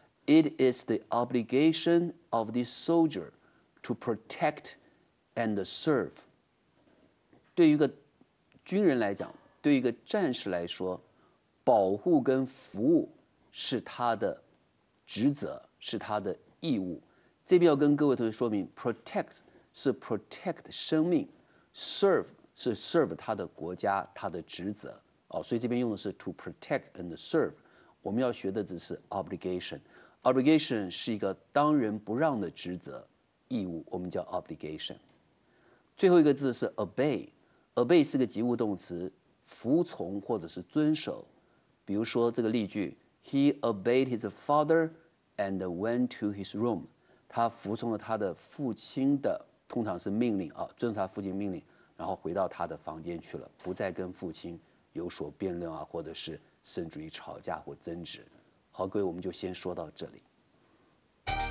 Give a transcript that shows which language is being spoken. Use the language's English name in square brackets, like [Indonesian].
[English] It is the obligation of the soldier to protect and serve。 [Chinese] 对于一个军人来讲，对于一个战士来说，保护跟服务是他的职责，是他的义务。这边要跟各位同学说明 ，protect 是 protect 生命 ，serve 是 serve 他的国家，他的职责。哦，所以这边用的是 [English] to protect and serve。 [Chinese] 我们要学的只是 obligation。 obligation 是一个当仁不让的职责、义务，我们叫 obligation。最后一个字是 obey。obey 是个及物动词，服从或者是遵守。比如说这个例句 [English] ，He obeyed his father and went to his room。 [Chinese] 他服从了他的父亲的，通常是命令啊，遵守他父亲命令，然后回到他的房间去了，不再跟父亲有所辩论啊，或者是甚至于吵架或争执。好，各位，我们就先说到这里。